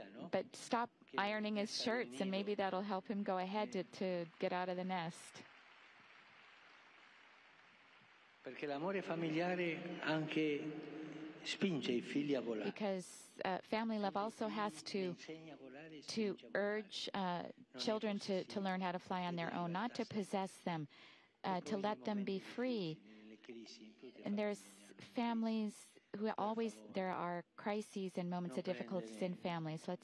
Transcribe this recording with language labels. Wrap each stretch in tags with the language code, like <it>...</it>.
<en>But stop ironing his shirts, and maybe that'll help him go ahead to get out of the nest.</en> <it>Perché l'amore familiare anche spinge I figli a volare.</it> <en>Because family love also has to urge children to learn how to fly on their own, not to possess them, to let them be free. And there's families who always, there are crises and moments of difficulties in families.</en>